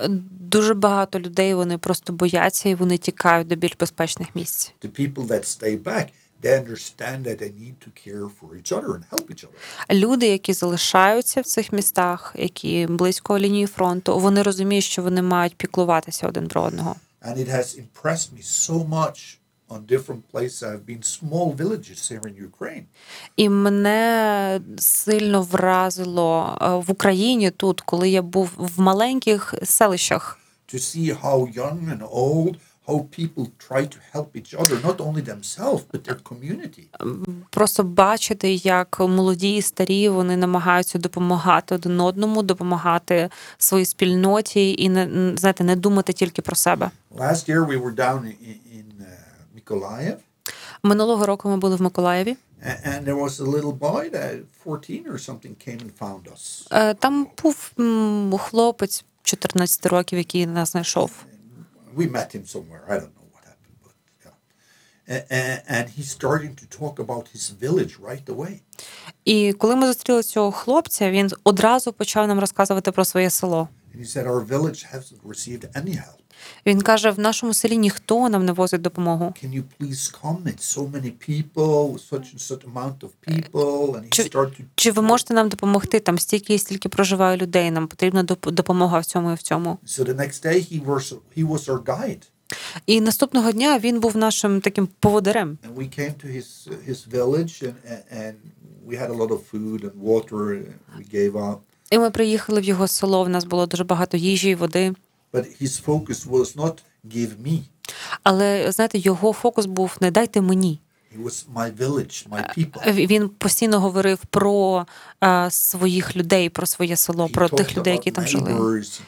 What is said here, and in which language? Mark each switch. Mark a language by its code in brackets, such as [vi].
[uk] Дуже багато людей, вони просто бояться і вони тікають до більш безпечних місць. [en] The people that stay back, they understand that they need to care for each other and help each other. [uk] Люди, які залишаються в цих містах, які близько лінії фронту, вони розуміють, що вони мають піклуватися один про одного. [en] And it has impressed me so much on different places I've been, small villages here in Ukraine. [uk] І мене сильно вразило в Україні тут, коли я був в маленьких селищах. [en] To see how young and old, how people try to help each other, not only themselves, but their community. [uk] Просто бачити, як молоді і старі, вони намагаються допомагати один одному, допомагати своїй спільноті і, знаєте, не думати тільки про себе. [en] Last year we were down in Миколаїв. [uk] Минулого року ми були в Миколаєві. [en] And there was a little boy that 14 or something came and found us. [uk] Там був хлопець 14 років, який нас знайшов. [en] We met him somewhere. I don't know what happened, but yeah. And he's starting to talk about his village right away. [uk] І коли ми зустріли цього хлопця, він одразу почав нам розказувати про своє село. [en] And he said our village hasn't received any help. [uk] Він каже, в нашому селі ніхто нам не возить допомогу. [en] Can you please come? It's so many people, such and such amount of people, and he started to... [uk] Чи ви можете нам допомогти? Там стільки і стільки проживає людей, нам потрібна допомога в цьому і в цьому. [en] So the next day he was our guide. [uk] І наступного дня він був нашим таким поводирем. [en] And we came to his village and we had a lot of food and water we gave up. [uk] І ми приїхали в його село, в нас було дуже багато їжі і води. [en] But his focus was not give me. [uk] Але, знаєте, його фокус був не дайте мені. [en] He was my village, my people. [uk] Він постійно говорив про своїх людей, про своє село, про тих людей, які там жили.